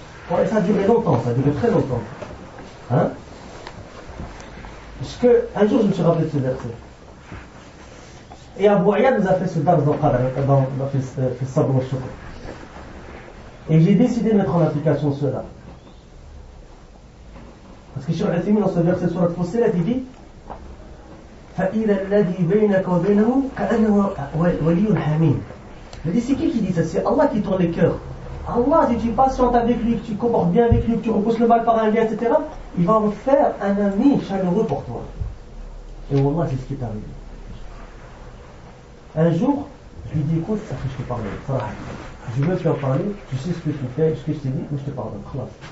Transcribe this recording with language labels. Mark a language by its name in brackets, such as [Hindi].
[French] Bon, et ça a duré longtemps, ça a duré très longtemps. Hein? Parce que un jour je me suis rappelé de ce verset. Et Abu Ayyad nous a fait ce dars dans Qadr, dans Sabr al-Shukr. Et j'ai décidé de mettre en application cela. Parce que Cheikh Al-Haythimi dans ce verset sur la Fussilat, il dit. [Arabic] فَإِذَا الَّذِي بَيْنَكَ وَبَيْنَهُ كَأَنَّهُ وَلِيٌّ حَمِيمٌ [French] Mais c'est qui dit ça? C'est Allah qui tourne les cœurs. Allah, si tu es patient avec lui, que tu te comportes bien avec lui, que tu repousses le mal par un lien, etc., il va en faire un ami chaleureux pour toi. Et Wallah, c'est ce qui est arrivé. Un jour, je lui dis, écoute, ça fait que je te parle. Je veux te parler, tu sais ce que tu fais, ce que je t'ai dit, moi je te parle. Khalas.